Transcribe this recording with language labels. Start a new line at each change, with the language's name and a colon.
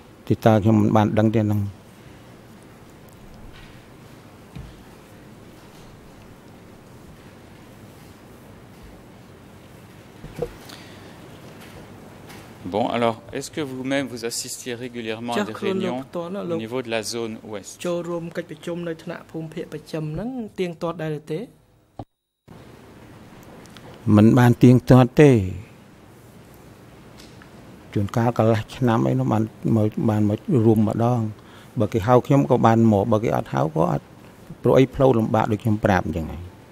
Khmer: គេអានឹងគេរៀបយ៉ាងម៉េចខ្ញុំមិនដឹងទេក៏ប៉ុន្តែខ្ញុំមិនបានតាក់ទងរឿងក្នុងមជ្ឈិមទេខ្ញុំតាក់ទងតែក្នុងកងពលខ្ញុំទេកិច្ចការអ្វីដែលខ្ញុំបានទទួលបានដឹងគឺតែពីកងពលខ្ញុំទេដូច្នេះការងាររាយការណ៍យ៉ាងម៉េចបន្តទៅទៀតនោះអានឹងនៅខាងភៀកទីតើខ្ញុំមិនបានដឹងទេនឹង
French: Bon, alors, est-ce que vous-même vous assistiez régulièrement à des réunions au niveau de la zone ouest?
Khmer: មិនបានទៀងទាត់ទេជួនកាលកន្លះឆ្នាំអីនោះបានមករួមម្ដងបើគេហៅខ្ញុំក៏បានមកបើគេអត់ហៅក៏អត់ព្រោះអីផ្លូវលំបាកដូចខ្ញុំប្រាប់អញ្ចឹងឯង